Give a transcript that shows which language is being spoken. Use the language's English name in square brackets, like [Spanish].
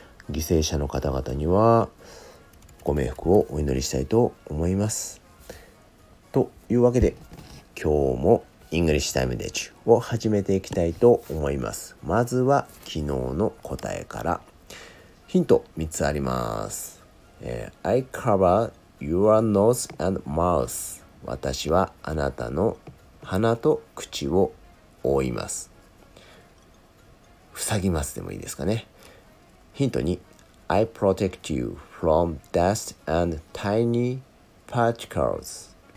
[Japanese] 犠牲者の方々にはご冥福をお祈りしたいと思います。というわけで今日もイングリッシュタイムでちゅを始めていきたいと思います。まずは昨日の答えから。ヒント3つあります。 [English] I cover your nose and mouth。 [Japanese] 私はあなたの鼻と口を覆います。塞ぎますでもいいですかね。ヒント2、 [English] I protect you from dust and tiny particles。